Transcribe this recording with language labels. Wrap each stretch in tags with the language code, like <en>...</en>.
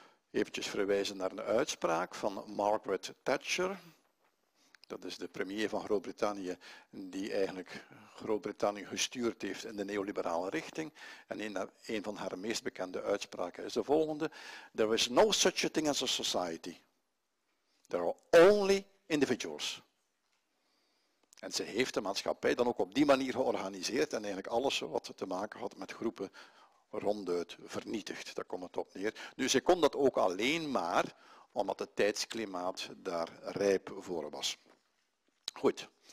<nl>Eventjes verwijzen naar een uitspraak van Margaret Thatcher. Dat is de premier van Groot-Brittannië die eigenlijk Groot-Brittannië gestuurd heeft in de neoliberale richting. En een van haar meest bekende uitspraken is de volgende.</nl> <en>There is no such a thing as a society. There are only individuals.</en> <nl>En ze heeft de maatschappij dan ook op die manier georganiseerd en eigenlijk alles wat te maken had met groepen ronduit vernietigd. Daar komt het op neer. Nu, ze kon dat ook alleen maar omdat het tijdsklimaat daar rijp voor was. Goed.</nl>